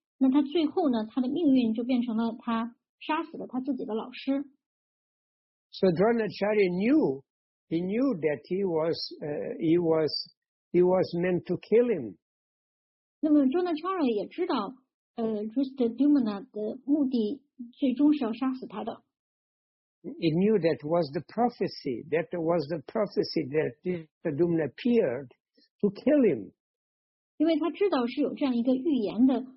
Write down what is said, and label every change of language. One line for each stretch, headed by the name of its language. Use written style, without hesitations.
Chinese: 那他最后呢，他的命运就变成了他杀死了他自己的老师。
English: So Dronacharya knew that he was meant to kill him.
Chinese: 那么 Dronacharya 也知道Dhrishtadyumna 的目的最终是要杀死他的。
English: He knew that was the prophecy, that was the prophecy that Dhrishtadyumna appeared to kill him.
Chinese: 因为他知道是有这样一个预言的。